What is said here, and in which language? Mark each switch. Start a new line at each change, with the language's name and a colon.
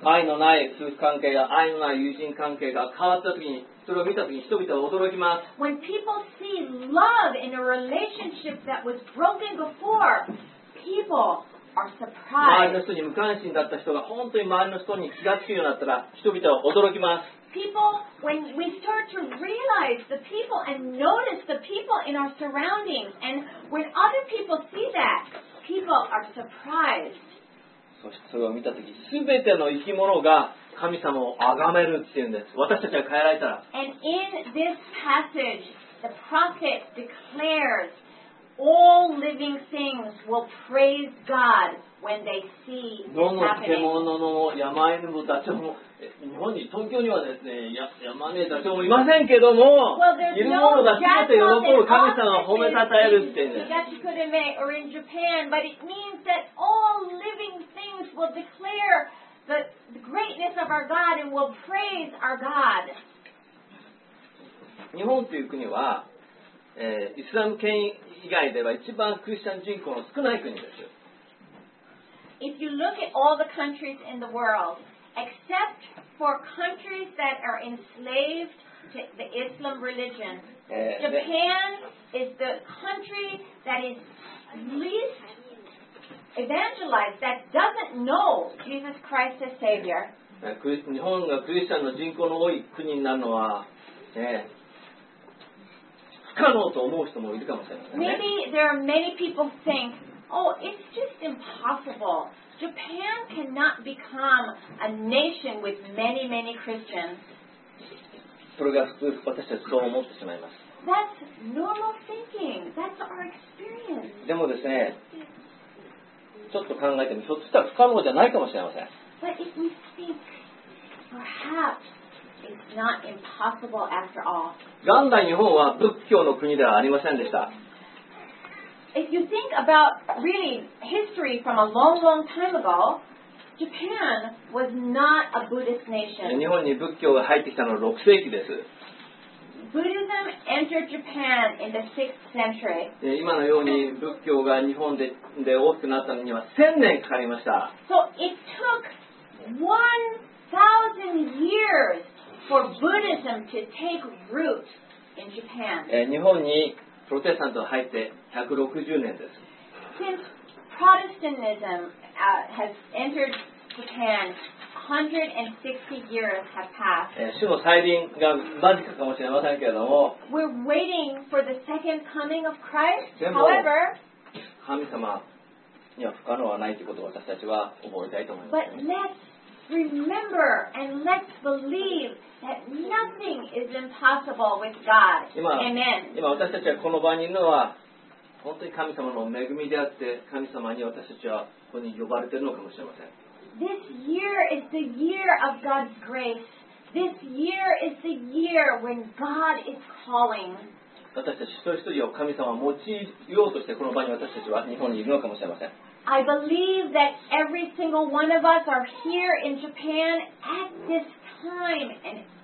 Japanese: 愛のない夫婦関係が、愛のない友人関係が変わったときに、それを見たときに人々は驚きます。
English: When people see love in a relationship that was broken before, people are surprised.
Japanese: 周りの人に無関心だった人が本当に周りの人に気がつくようになったら、人々は驚きます。
English: People, when we start to realize the people and notice the people in our surroundings, and when other people see that, people are surprised.
Japanese: そしてそれを見たとき、すべての生き物が神様を崇めるっていうんです。私たちが変えられたら。
English: And in this passage, the prophet declares, all living things will praise God when they see happening.
Japanese: どの獣の山犬もダチョウも。日本に東京にはですね、山根たちもいませんけども、
English: well,
Japanese: いるものが全て喜ぶ神様を褒めたたえるってね。
English: 東久留米 or in Japan, but it means that all living things will declare the greatness of our God and will praise our God.
Japanese: 日本という国は、イスラム圏以外では一番クリスチャン人口の少ない国です。
English: If you look at all the countries in the world,Except for countries that are enslaved to the Islam religion, Japan is the country that is least evangelized, that doesn't know Jesus Christ as Savior.
Japanese: 日本がクリスチャンの人口の多い国になるのは、不可能と思う人もいるかもしれませんね。
English: Maybe there are many people who think, oh, it's just impossible. Japan cannot become a nation with many, many Christians.
Japanese: それが普通、私たちそう思ってしまいます。
English: That's normal thinking. That's our experience.
Japanese: でもですね、ちょっと考えてみ、ひょっとしたら不可能じゃないかもしれません。
English: But if we think, perhaps it's not impossible after all.
Japanese: 元来日本は仏教の国ではありませんでした。
English: If you think about really history from a long, long time ago, Japan was not a Buddhist nation.
Japanese: 日本に仏教が入ってきたのは6世紀です。
English: Buddhism entered Japan in the 6th century.
Japanese: 今のように仏教が日本 で大きくなったのには1000年かかりました。
English: So it took 1,000 years for Buddhism to take root in Japan.
Japanese: 日本にプロテスタントが入って160年です。
English: Since Protestantism has entered Japan, 160 years have passed.
Japanese: 主の再臨が間近かもしれませんけれども。
English: We're waiting for the second coming of Christ. However,
Japanese: 神様には不可能はないということを私たちは覚えたいと思います。
English: But let's remember and let's believe. That nothing is impossible with God. Amen.
Japanese: 今私たちはこの場にいるのは本当に神様の恵みであって神様に私たちはここに呼ばれているのかもしれません。
English: This year is the year of God's grace. This year is the year when God is calling.
Japanese: 私たち一人一人を神様は用いようとしてこの場に私たちは日本にいるのかもしれません。
English: I believe that every single one of us are here in Japan at this time.